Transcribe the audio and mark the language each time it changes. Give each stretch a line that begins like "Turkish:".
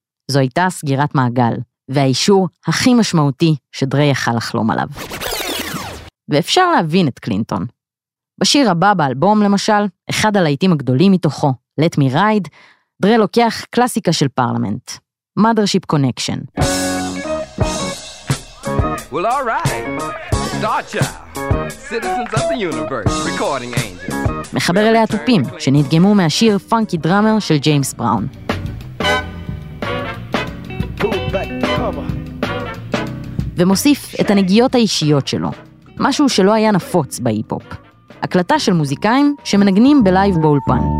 Hebrew: זו הייתה סגירת מעגל. והאישור הכי משמעותי שדרי יכל לחלום עליו. ואפשר להבין את קלינטון. בשיר הבא באלבום, למשל, אחד הלהיטים הגדולים מתוכו, Let Me Ride, דרי לוקח קלאסיקה של פרלמנט, Mothership Connection.
English: Well, all right. Dodger. Citizens of the Universe, Recording Angels.
Hebrew: מחבר אליה תופים, שנדגמו מהשיר פאנקי דראמר של ג'יימס בראון. ומוסיף את הנגיעות האישיות שלו, משהו שלא היה נפוץ בהיפ-הופ. הקלטה של מוזיקאים שמנגנים בלייב באולפן.